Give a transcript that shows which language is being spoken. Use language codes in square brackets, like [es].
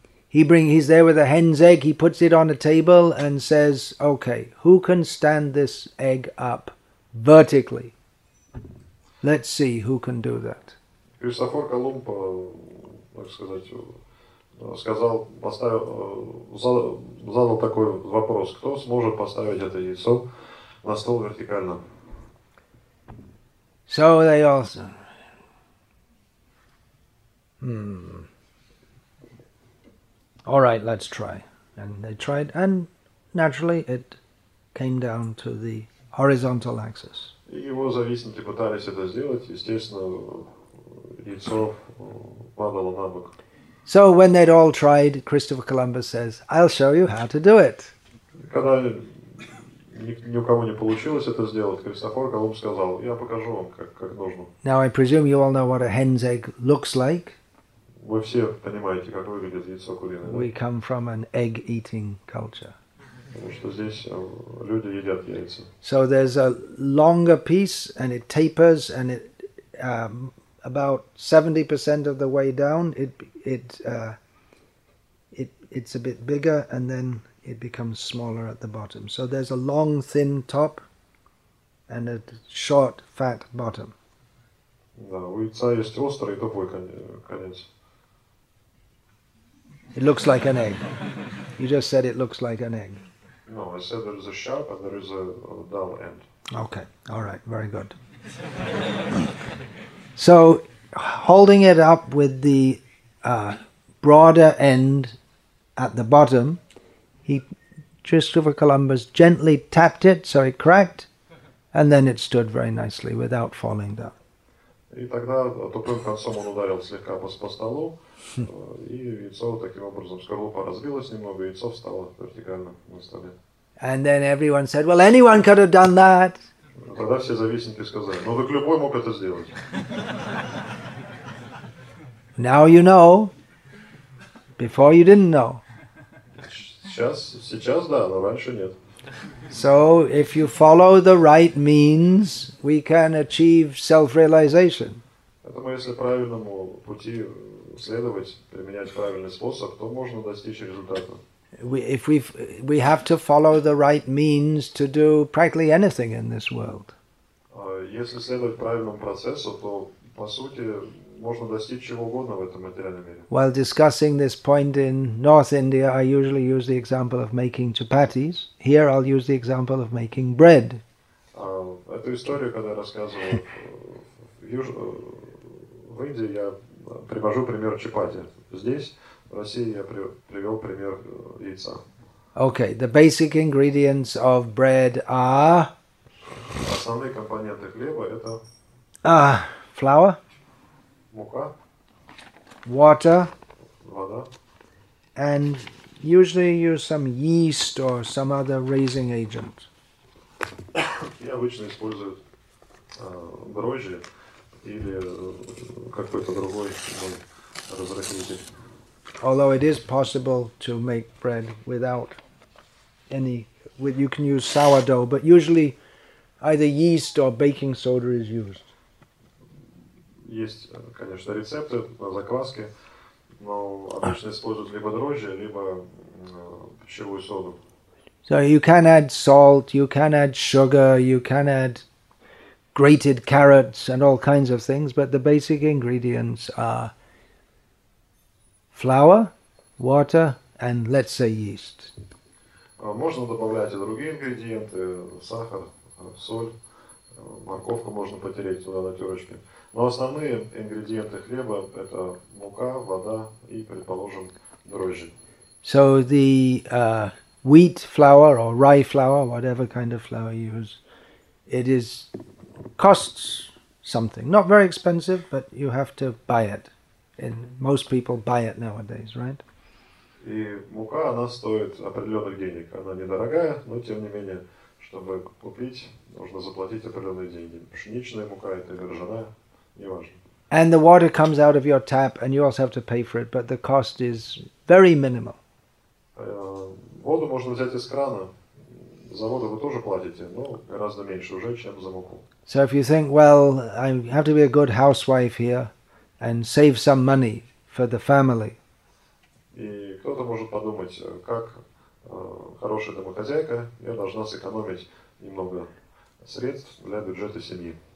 [en] He's there with a hen's egg, he puts it on a table and says, okay, who can stand this egg up vertically? Let's see who can do that. [ru] Кристофор Колумб, так сказать, сказал, поставил, задал такой вопрос, кто сможет поставить это яйцо на стол вертикально? [en] So they also... All right, let's try. And they tried, and naturally it came down to the horizontal axis. [ru] Его завистники пытались это сделать, естественно, яйцо падало на бок. [en] So when they'd all tried, Christopher Columbus says, I'll show you how to do it. [ru] Когда ни у кого не получилось это сделать, Христофор Колумб сказал, я покажу вам, как нужно. [en] Now I presume you all know what a hen's egg looks like. [ru] Вы все понимаете, как выглядит яйцо куриное. [en] We come from an egg-eating culture. [ru] Потому что здесь люди едят яйца. [en] So there's a longer piece, and it tapers, and it about 70% of the way down, it's a bit bigger, and then it becomes smaller at the bottom. So there's a long, thin top, and a short, fat bottom. [ru] Да, у яйца есть острый и тупой конец. [en] It looks like an egg. You just said it looks like an egg. No, I said there is a sharp and there is a dull end. Okay, all right, very good. So, holding it up with the broader end at the bottom, Christopher Columbus gently tapped it so it cracked, and then it stood very nicely without falling down. [ru] И тогда тупым концом он ударил слегка по столу, и яйцо таким образом скорлупа разбилось немного, и яйцо встало вертикально на столе. [en] And then everyone said, "Well, anyone could have done that." [ru] Тогда все завистники сказали, "Ну так любой мог это сделать." [en] Now you know. Before you didn't know. [ru] Сейчас да, но раньше нет. [en] So, if you follow the right means, we can achieve self-realization. [ru] Поэтому, если правильному пути следовать, применять правильный способ, то можно достичь результата. [en] We have to follow the right means to do practically anything in this world. [ru] Если следовать правильному процессу, то, по сути, можно достичь чего угодно в этом материальном мире. [en] While discussing this point in North India, I usually use the example of making chapatis. Here I'll use the example of making bread. [ru] Эту историю, когда я рассказывал в Индии, я привожу пример чапати. Здесь, в России, я привел пример яйца. [en] Okay, the basic ingredients of bread are... [ru] Основные компоненты хлеба – это... [en] Flour. [ru] Мука, [en] water, [ru] вода, [en] and usually use some yeast or some other raising agent. [ru] И обычно используют дрожжи или какой-то другой разрыхлитель. [en] Although it is possible to make bread without any, you can use sourdough, but usually either yeast or baking soda is used. [ru] Есть, конечно, рецепты на закваске, но обычно используют либо дрожжи, либо пищевую соду. [en] So you can add salt, you can add sugar, you can add grated carrots and all kinds of things, but the basic ingredients are flour, water and, let's say, yeast. [ru] Можно добавлять и другие ингредиенты, сахар, соль, морковку можно потереть туда на терочке. Но основные ингредиенты хлеба – это мука, вода и, предположим, дрожжи. [en] So the wheat flour or rye flour, whatever kind of flour you use, it is costs something. Not very expensive, but you have to buy it. And most people buy it nowadays, right? [ru] И мука, она стоит определенных денег. Она недорогая, но тем не менее, чтобы купить, нужно заплатить определенные деньги. Пшеничная мука – это ржаная. [en] And the water comes out of your tap, and you also have to pay for it, but the cost is very minimal. [ru] Воду можно взять из крана. За воду вы тоже платите, но гораздо меньше уже, чем за муку. [en] So if you think, well, I have to be a good housewife here and save some money for the family. [ru] И кто-то может подумать, как хорошая домохозяйка, я должна сэкономить немного средств для бюджета семьи.